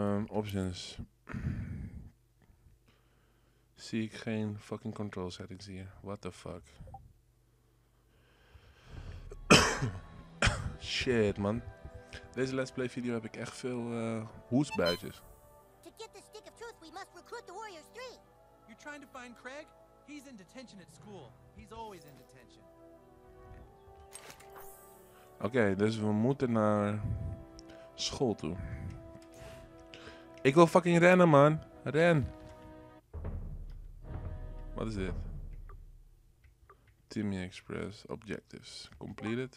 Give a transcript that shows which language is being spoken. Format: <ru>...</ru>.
<en>Options.</en> <nl>Zie ik geen fucking control settings hier.</nl> <en>What the fuck?</en> <nl>Shit, man. Deze Let's Play video heb ik echt veel hoesbuitjes.</nl> <en>To get the stick of truth, we must recruit the Warriors 3. You're trying to find Craig? He's in detention at school. He's always in detention.</en> <nl>Okay, dus we moeten naar school toe. Ik wil fucking rennen, man. Ren. Wat is dit? Timmy Express Objectives. Completed.</nl>